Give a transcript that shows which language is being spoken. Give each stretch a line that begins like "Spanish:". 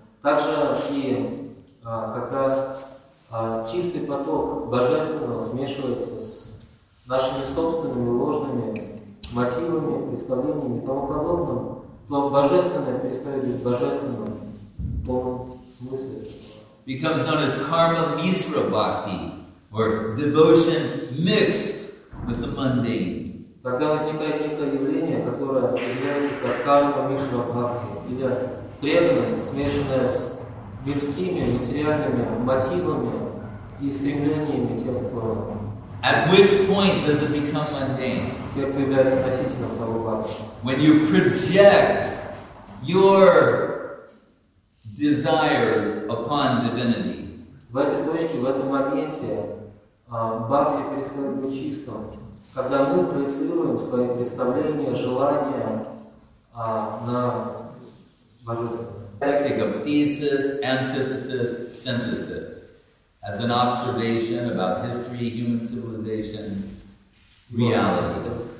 Russian: Также и когда чистый поток божественного смешивается с нашими собственными ложными мотивами, представлениями и тому подобным, то божественное перестает быть божественным в полном смысле.
English: Becomes known as karma misra bhakti, or devotion mixed with the mundane.
Russian: Тогда возникает некое явление, которое является как карма мишра бхакти, или преданность, смешанная с мирскими, материальными мотивами и стремлениями тех, кто...
English: At which point does it become mundane?
Russian: Тех, кто является носителем того бхакти.
English: When you project your desires upon divinity.
Russian: В этой точке, в этом моменте, бхакти перестает быть чистым. Когда мы проецируем свои представления, желания на божественное.
English: Like of thesis, antithesis, synthesis. As an observation about history, human civilization, reality.